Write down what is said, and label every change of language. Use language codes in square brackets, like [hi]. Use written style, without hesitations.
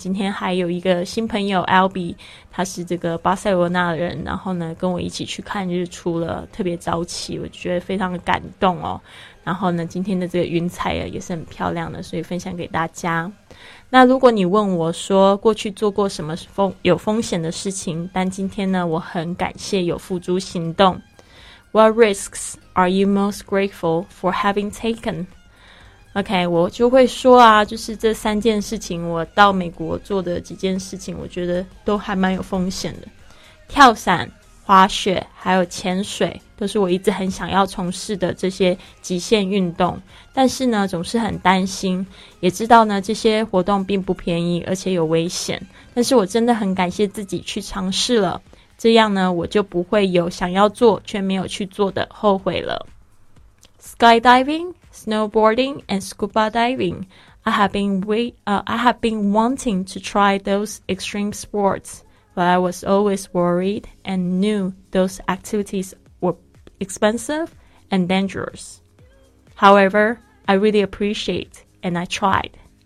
[zh] 今天还有一个新朋友 Albi， 他是这个巴塞罗那的人，然后呢跟我一起去看日出了，特别早起，我觉得非常的感动哦。然后呢今天的这个云彩也是很漂亮的，所以分享给大家。那如果你问我说过去做过什么有风险的事情，但今天呢我很感谢有付诸行动。 [en] What risks are you most grateful for having taken？ [zh] OK， 我就会说啊，就是这三件事情，我到美国做的几件事情，我觉得都还蛮有风险的。跳伞、滑雪还有潜水，都是我一直很想要从事的这些极限运动，但是呢总是很担心，也知道呢这些活动并不便宜而且有危险，但是我真的很感谢自己去尝试了，这样呢我就不会有想要做却没有去做的后悔了。 [en] Skydiving? Snowboarding and scuba diving. I have been wanting to try those extreme sports, but I was always worried and knew those activities were expensive and dangerous. However, I really appreciate and I tried.